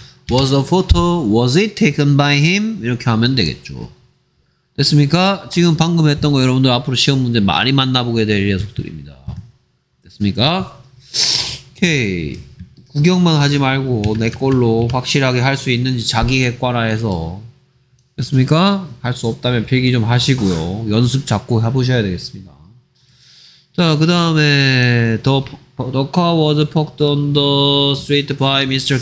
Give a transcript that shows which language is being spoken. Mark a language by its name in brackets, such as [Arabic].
[English] Was the photo, was it taken by him? [Korean] 이렇게 하면 되겠죠. 됐습니까? 지금 방금 했던 거 여러분들 앞으로 시험 문제 많이 만나보게 될 녀석들입니다. 됐습니까? 오케이. 구경만 하지 말고 내 걸로 확실하게 할 수 있는지 자기 객관화 해서. 됐습니까? 할 수 없다면 필기 좀 하시고요. 연습 자꾸 해보셔야 되겠습니다. 자, 그 다음에 [English] the car was parked on the street by Mr.